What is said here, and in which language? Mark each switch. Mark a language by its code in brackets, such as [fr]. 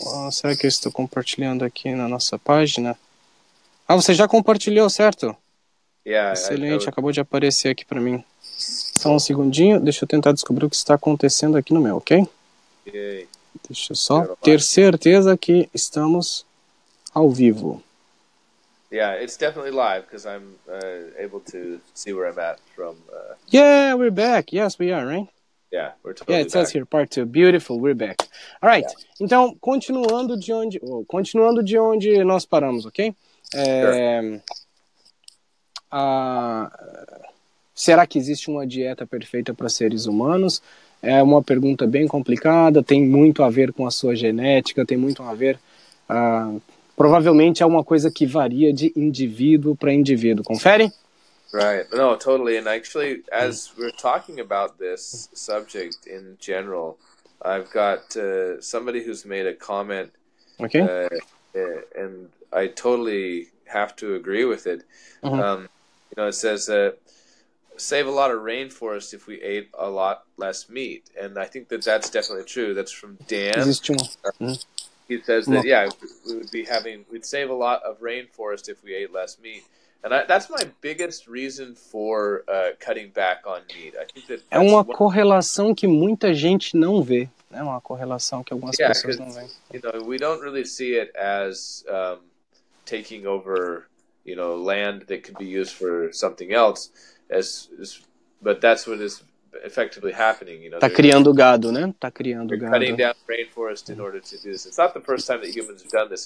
[pt] Oh, será que eu estou compartilhando aqui na nossa página? Ah, você já compartilhou, certo? [en] Yeah, [pt] excelente, acabou de aparecer aqui para mim. Só um segundinho, deixa eu tentar descobrir o que está acontecendo aqui no meu, ok? [en] Yay. [pt] Deixa eu só ter certeza que estamos ao vivo. [en] Yeah, it's definitely live because I'm able to see where I'm at from. Yeah, we're back. Yes, we are, right? Yeah, we're totally back. Yeah, it says here, part two. Beautiful, we're back. All right, yeah. [pt] Então, continuando de onde nós paramos, ok? [en] Sure. [pt] Será que existe uma dieta perfeita para seres humanos? É uma pergunta bem complicada, tem muito a ver com a sua genética, tem muito a ver, provavelmente é uma coisa que varia de indivíduo para indivíduo, confere? [en] Right, no, totally, and actually, as we're talking about this subject in general, I've got somebody who's made a comment, okay. And I totally have to agree with it. You know, it says save a lot of rainforest if we ate a lot less meat, and I think that's definitely true. That's from Dan. He says that we would be we'd save a lot of rainforest if we ate less meat, and that's my biggest reason for cutting back on meat. I think that [pt] é uma correlação que muita gente não vê. É uma correlação que algumas pessoas não veem. [en] You know, we don't really see it as taking over. You know, land that could be used for something else, but that's what is effectively happening. You know, [pt] tá criando gado, né? Tá criando gado. [en] Cutting down rainforest in order to do this. It's not the first time that humans have done this.